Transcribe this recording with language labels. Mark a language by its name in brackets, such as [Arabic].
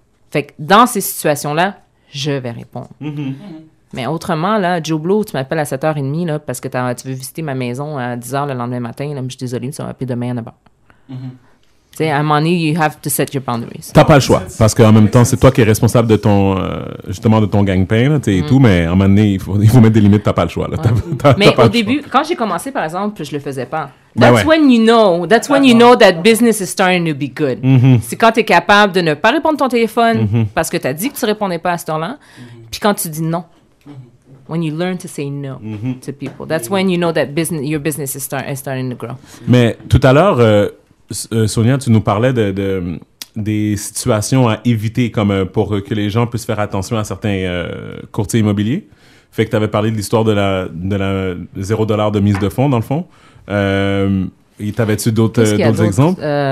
[French] Fait que dans ces situations-là, je vais répondre. Mais autrement, là, Joe Blow, tu m'appelles à 7h30, là, parce que tu veux visiter ma maison à 10h le lendemain matin, là, mais je suis désolée, ça va appeler demain à 9h. Tu sais, à un moment donné, [English] you have to set your boundaries. [French] T'as pas le choix, parce qu'en même temps, c'est toi qui es responsable de ton, justement, de ton gang-pain, là, tu sais, et tout, mais à un moment donné, il faut mettre des limites, t'as pas le choix, là. Mais au début, quand j'ai commencé, par exemple, je le faisais pas. [English] That's when you know that business is starting to be good. [French] C'est quand t'es capable de ne pas répondre ton téléphone, parce que t'as dit que tu répondais pas à ce temps-là, puis quand tu dis non. [English] When you learn to say no to people. That's when you know that your business is starting to grow. [French] Mais tout à l'heure... Sonia, tu nous parlais des situations à éviter comme pour que les gens puissent faire attention à certains courtiers immobiliers. Fait que tu avais parlé de l'histoire de la 0$ de mise de fonds, dans le fond. T'avais-tu d'autres exemples?